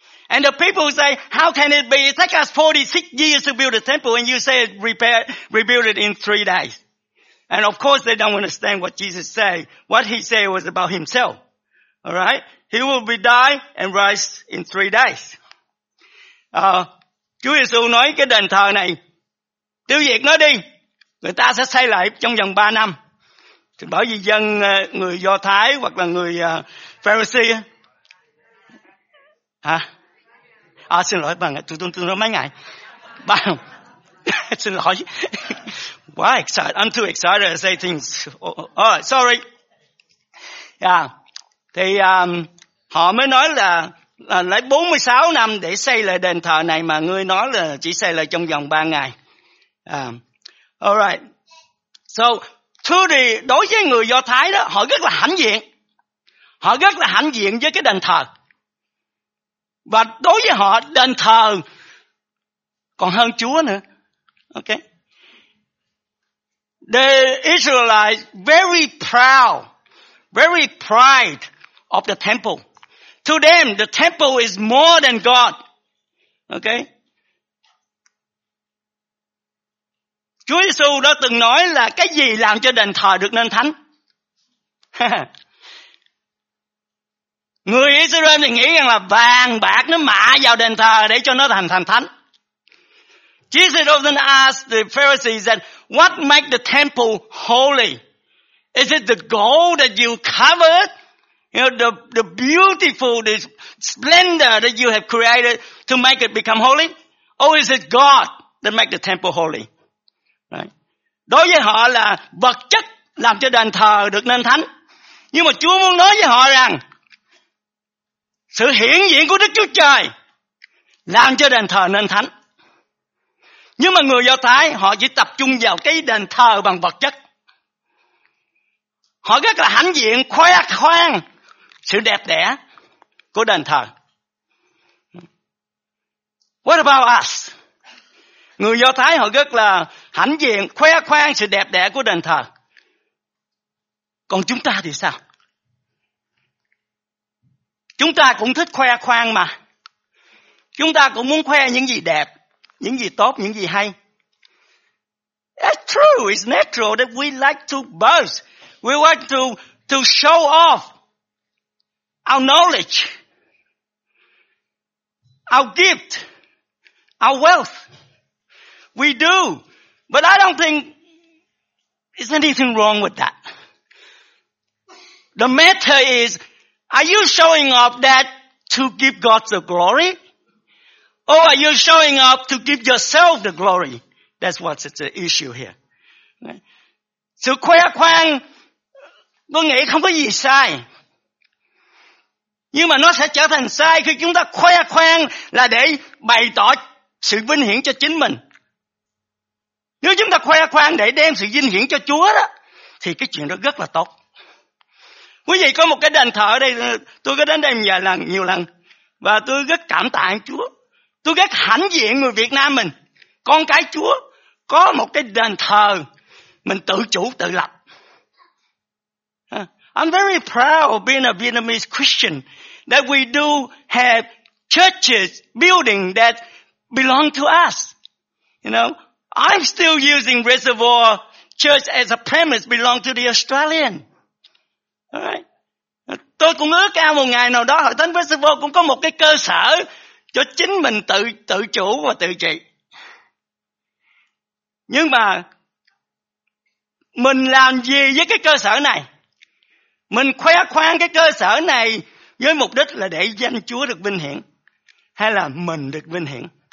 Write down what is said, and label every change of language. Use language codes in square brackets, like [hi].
[en] And the people say, how can it be? It takes us 46 years to build a temple and you say rebuild it in 3 days. And of course they don't understand what Jesus say. What he say was about himself. Alright? He will be die and rise in 3 days. [vi] Chúa Giêsu nói cái đền thờ này tiêu diệt nó đi, người ta sẽ xây lại trong vòng 3 năm. Thì bởi vì dân người Do Thái hoặc là người Pharisee Hả? À, xin lỗi, bạn, tôi nói mấy ngày. Bạn, xin lỗi. [en] Why excited? I'm too excited to say things. Oh, sorry. Yeah. [vi] Thì họ mới nói là lấy 46 năm để xây lại đền thờ này mà ngươi nói là chỉ xây lại trong vòng 3 ngày. [en] All right. [vi] So, thưa đối với người Do Thái đó, họ rất là hãnh diện. Họ rất là hãnh diện với cái đền thờ. Và đối với họ, đền thờ còn hơn Chúa nữa. [en] Ok. The Israelites very proud, very pride of the temple. To them, the temple is more than God. Okay. [vi] Chúa Giêsu đã từng nói là cái gì làm cho đền thờ được nên thánh? Người Israel thì nghĩ rằng là vàng bạc nó mạ vào đền thờ để cho nó thành thánh. [en] Jesus often asked the Pharisees that, what makes the temple holy? Is it the gold that you covered? You know, the beautiful, the splendor that you have created to make it become holy? Or is it God that makes the temple holy? Right. [vi] Đối với họ là vật chất làm cho đền thờ được nên thánh. Nhưng mà Chúa muốn nói với họ rằng, sự hiển diện của Đức Chúa Trời làm cho đền thờ nên thánh. Nhưng mà người Do Thái họ chỉ tập trung vào cái đền thờ bằng vật chất. Họ rất là hãnh diện khoe khoang sự đẹp đẽ của đền thờ. [en] What about us? [vi] Người Do Thái họ rất là hãnh diện khoe khoang sự đẹp đẽ của đền thờ. Còn chúng ta thì sao? Chúng ta cũng thích khoe khoang mà. Chúng ta cũng muốn khoe những gì đẹp, những gì tốt, những gì hay. [en] It's true, it's natural that we like to boast. We like to show off our knowledge, our gift, our wealth. We do. But I don't think there's anything wrong with that. The matter is, are you showing off that to give God the glory? Or are you showing off to give yourself the glory? That's what's the issue here. [vi] Sự khoe khoang, tôi nghĩ không có gì sai. Nhưng mà nó sẽ trở thành sai khi chúng ta khoe khoang là để bày tỏ sự vinh hiển cho chính mình. Nếu chúng ta khoe khoang để đem sự vinh hiển cho Chúa đó, thì cái chuyện đó rất là tốt. Quý vị có một cái đền thờ ở đây, tôi có đến đây vài lần, nhiều lần, và tôi rất cảm tạ Chúa. Tôi rất hãnh diện người Việt Nam mình, con cái Chúa, có một cái đền thờ mình tự chủ, tự lập. [en] I'm very proud of being a Vietnamese Christian, that we do have churches, building that belong to us. You know, I'm still using Reservoir Church as a premise belong to the Australian. Right. [vi] Tôi cũng ước ao một ngày nào đó Hội Thánh Festival cũng có một cái cơ sở cho chính mình tự chủ và tự trị. Nhưng mà mình làm gì với cái cơ sở này? Mình khoe khoang cái cơ sở này với mục đích là để danh Chúa được vinh hiển hay là mình được vinh hiển?